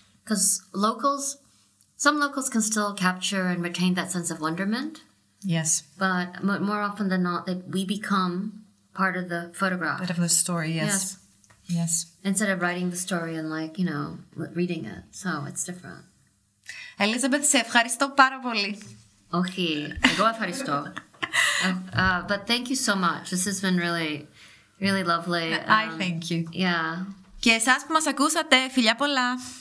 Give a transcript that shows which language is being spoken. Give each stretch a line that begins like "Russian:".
English: Because some locals can still capture and retain that sense of wonderment. Yes. But more often than not, we become part of the photograph. Part of the story, yes. Yes. Yes. Instead of writing the story and, like, you know, reading it. So it's different.
Greek: Elizabeth, σε ευχαριστώ πάρα πολύ. Όχι, εγώ ευχαριστώ.
English: But thank you so much. This has been really, really lovely. I thank you. Yeah.
Greek: Και εσάς που μας ακούσατε, φιλιά πολλά.